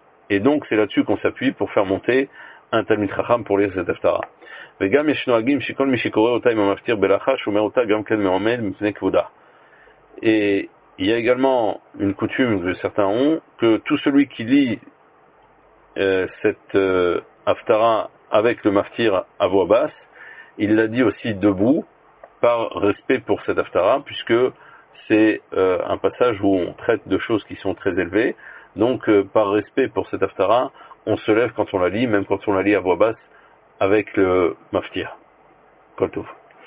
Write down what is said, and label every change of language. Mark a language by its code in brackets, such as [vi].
[fr] Et donc c'est là-dessus qu'on s'appuie pour faire monter un talmid chacham pour lire cet haftara. [he] וגם יש נוהגים שכל מי שקורא אותה עם המפטיר בלחש שומר אותה גם כן מעומד מפני כבודה. [fr] Et il y a également une coutume que certains ont, que tout celui qui lit cette haftara avec le maftir à voix basse, il la dit aussi debout, par respect pour cette haftara, puisque c'est un passage où on traite de choses qui sont très élevées, donc par respect pour cette haftara, on se lève quand on la lit, même quand on la lit à voix basse, avec le maftir. Coltouf.